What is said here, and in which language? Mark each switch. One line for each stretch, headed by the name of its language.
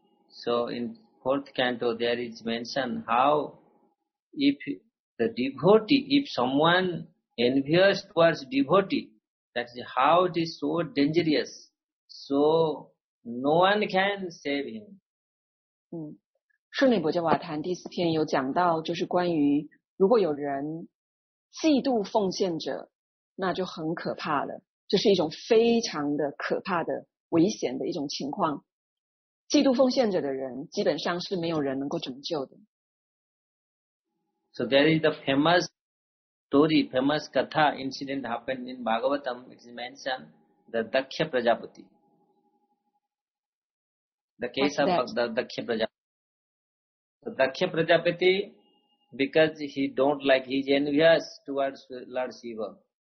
English: So in fourth canto there is mentioned how if the devotee, if someone envious towards devotee, that is how it is so dangerous. So no one can save him.
Chinese: 舍利弗伽瓦坦第四篇有讲到，就是关于如果有人嫉妒奉献者，那就很可怕了，这是一种非常的可怕的危险的一种情况。嫉妒奉献者的人基本上是没有人能够拯救的。
English: So there is the famous story, famous katha incident happened in Bhagavatam. It is mentioned the Dakhya Prajapati. The case of the Dakhya Prajapati. So Dakhya Prajapati, because he don't like, he is envious towards Lord Shiva.